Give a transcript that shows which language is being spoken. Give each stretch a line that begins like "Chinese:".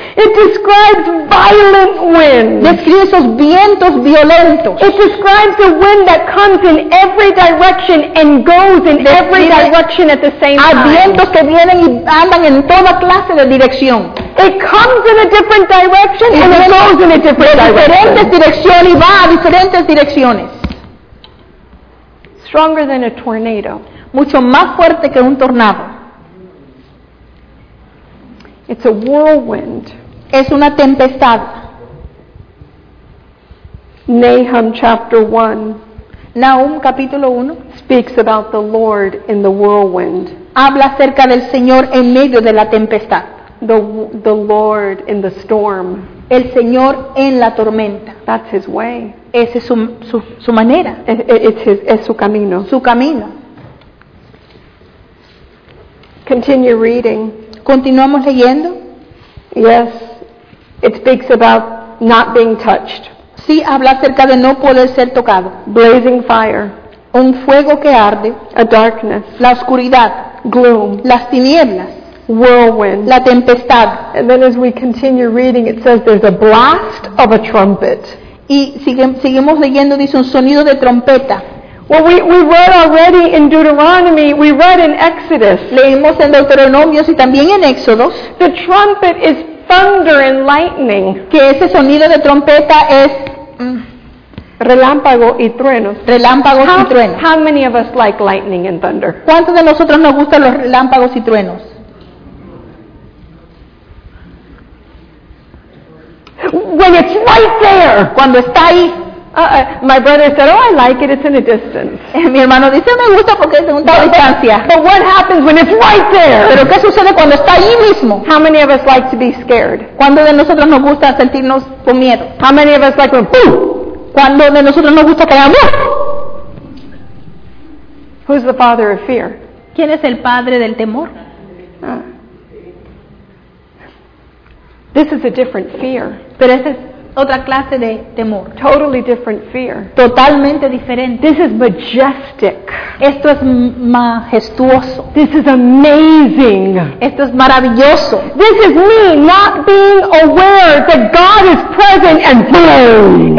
English: It describes violent winds.
Spanish: Describe esos vientos violentos.
English: It describes the wind that comes in every direction and goes in every direction at the same time.
Spanish: A vientos que vienen y andan en toda clase de dirección.
English: It comes in a different direction and it goes in a different direction.
Spanish: De diferentes direcciones y va a diferentes direcciones.
English: Stronger than a tornado.
Spanish: Mucho más fuerte que un tornado.
English: It's a whirlwind.
Spanish: Es una tempestad.
English: Nahum chapter 1.
Spanish: Nahum capítulo 1
English: speaks about the Lord in the whirlwind.
Spanish: Habla acerca del Señor en medio de la tempestad.
English: The Lord in the storm.
Spanish: El Señor en la tormenta.
English: That's his way.
Spanish: Esa es su manera. Es su camino. Su camino.
English: Continue reading.
Spanish: Continuamos leyendo.
English: Yes, it speaks about not being touched.
Spanish: Sí, habla acerca de no poder ser tocado.
English: Blazing fire.
Spanish: Un fuego que arde.
English: A darkness.
Spanish: La oscuridad.
English: Gloom.
Spanish: Las tinieblas.
English: Whirlwind.
Spanish: La tempestad.
English: And then as we continue reading, it says there's a blast of a trumpet.
Spanish: Y seguimos leyendo, dice un sonido de trompeta.
English: Well, we read already in Deuteronomy, we read in Exodus.
Spanish: Leímos en Deuteronomio y también en Éxodos.
English: The trumpet is thunder and lightning.
Spanish: Que ese sonido de trompeta es relámpago y trueno. Relámpagos y truenos.
English: How many of us like lightning and thunder?
Spanish: ¿Cuántos de nosotros nos gustan los relámpagos y truenos?
English: When it's right there.
Spanish: Cuando está ahí.
English: My brother said, "Oh, I like it. It's in a distance."
Spanish: Mi hermano dice, "Me gusta porque es una distancia."
English: But what happens when it's right there?
Spanish: Pero qué sucede cuando está ahí mismo?
English: How many of us like to be scared?
Spanish: ¿Cuándo de nosotros nos gusta sentirnos con miedo?
English: How many of us like when boom?
Spanish: ¿Cuándo de nosotros nos gusta caer?
English: Who's the father of fear?
Spanish: ¿Quién es el padre del temor?
English: This is a different fear.
Spanish: Pero esta es otra clase de temor.
English: Totally different fear.
Spanish: Totalmente diferente.
English: This is majestic.
Spanish: Esto es majestuoso.
English: This is amazing.
Spanish: Esto es maravilloso.
English: This is me not being aware that God is present and boom.